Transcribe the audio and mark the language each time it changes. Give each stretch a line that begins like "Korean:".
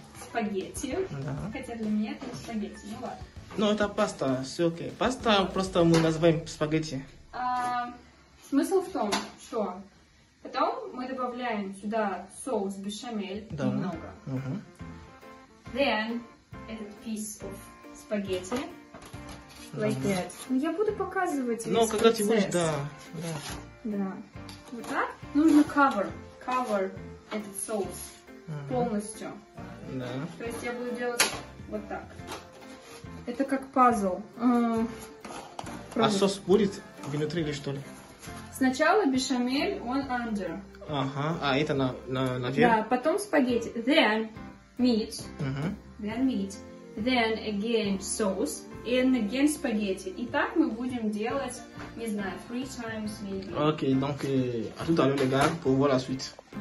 Russian: Спагетти. Да. Хотя для меня это не спагетти. Ну ладно. Ну это паста, все окей. Паста просто мы называем спагетти. Смысл в том, что потом мы добавляем сюда соус бешамель, да. Немного. Угу.
English: Then
Russian: этот
English: piece of спагетти. Like that.
Russian: Ну я буду показывать. Ну когда ты будешь, да. Да. Да. Вот так. Нужно
English: cover
Russian: этот соус. Uh-huh. Полностью. Да. То есть я буду делать вот так. Это как пазл. А соус будет внутри или что ли? Сначала бешамель, он
English: under.
Russian: Ага, а это на верх? Да, потом спагетти.
English: Then meat. Uh-huh. Then meat. Then again sauce. And again spaghetti.
Russian: И так мы будем делать, не знаю,
English: 3 times maybe.
Russian: Окей,
French: donc, à tout à l'heure les gars, pour voir la suite.